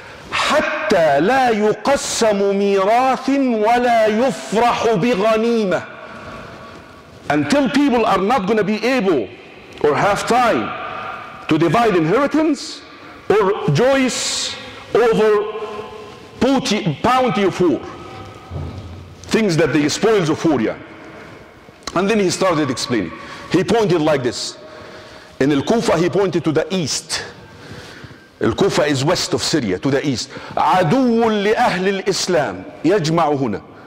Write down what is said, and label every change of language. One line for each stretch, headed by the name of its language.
Arabic: حتى لا يقسم ميراث ولا يفرح بغنيمة.
English: Until people are not going to be able or have time to divide inheritance or joys over bounty of war. Things that they spoils of war. Yeah. And then he started explaining. He pointed like this. In Al-Kufa, he pointed to the east. Al-Kufa is west of Syria, to the east.
Arabic: عدو لأهل الإسلام يجمع هنا.